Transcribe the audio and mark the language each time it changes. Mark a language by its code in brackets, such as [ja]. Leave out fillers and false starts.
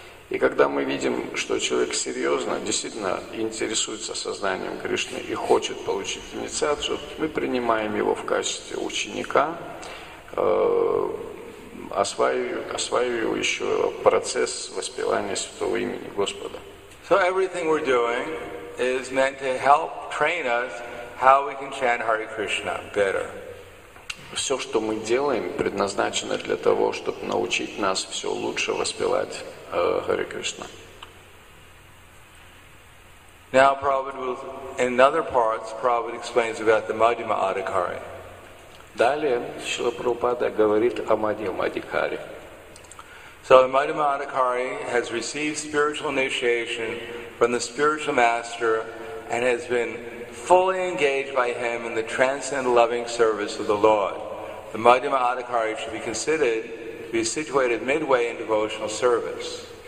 [ru] И когда мы видим, что человек серьезно, действительно интересуется сознанием Кришны и хочет получить инициацию, мы принимаем его в качестве ученика, осваивающего процесс воспевания святого имени Господа. [en] So everything we're doing is meant to help train us how we can chant Hare Krishna better. [ru] Все, что мы делаем, предназначено для того, чтобы научить нас все лучше воспевать Hare Krishna. [en] Now, in other parts, Prabhupada explains about the Madhyama Adhikari. [ru] Далее Шрила Прабхупада говорит о Мадхьяма Адхикари. [en] So the Madhyama Adhikari has received spiritual initiation from the spiritual master and has been fully engaged by him in the transcendental loving service of the Lord. The Madhyama Adhikari should be considered to be situated midway in devotional service.